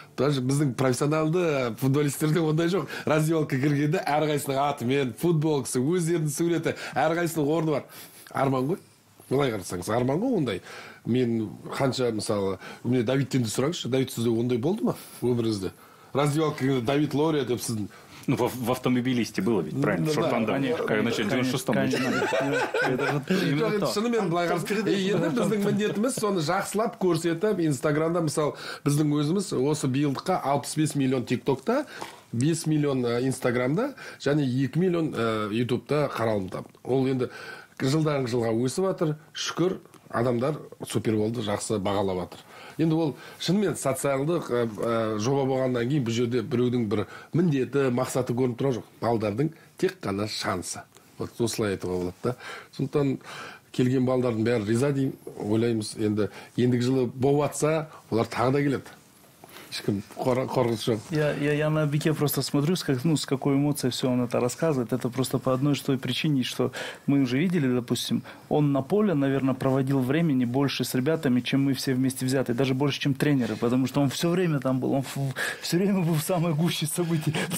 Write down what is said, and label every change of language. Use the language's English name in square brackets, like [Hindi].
[Kazakh] Даже біздің профессионалды футболистерде ондай жоқ. Раздевалкаға кіргенде әрқайсының аты мен футболкасы, өздерінің суреті, әрқайсының орны бар. Арман ғой. Былай қарасаңыз, арман ғой ондай. Мен қанша мысалы, мен Давидтен де сұраңызшы, Давид сізде ондай болды ма? Өміріңізде. Раздевалкаға Давид Лория деп сіздің. [Russian] Ну, в автомобилисте было ведь, правильно? Шорт Ван Дам, как начать в 96-м. [Kazakh] Шынымен, былай қарасаң, енді біздің міндетіміз соны жақсылап көрсетіп, Инстаграмда, мысалы, біздің өзіміз осы биылдыққа 65 миллион ТикТокта, 5 миллион Инстаграмда, және 2 миллион Ютубта қаралым тап. Ол енді жылдарын жылға өсіп жатыр, шүкір, адамдар суперболды жақсы бағалап жатыр. Енді ол шынымен социалдық жоба болғаннан кейін бұл жерде біреудің бір міндеті, мақсаты көрініп тұрған жоқ. Балдардың тек қана шансы. Осылай айтуға болады да. Сондықтан келген балдардың бәрі риза деймін. Ойлаймыз, енді ендігі жылы болатса, олар тағы да келеді. [Russian] Я на Бике просто смотрю, с какой эмоцией все он это рассказывает. Это просто по одной той причине, что мы уже видели, допустим, он на поле, наверное, проводил времени больше с ребятами, чем мы все вместе взяты, даже больше, чем тренеры, потому что он все время там был, он все время был в самой гуще событий.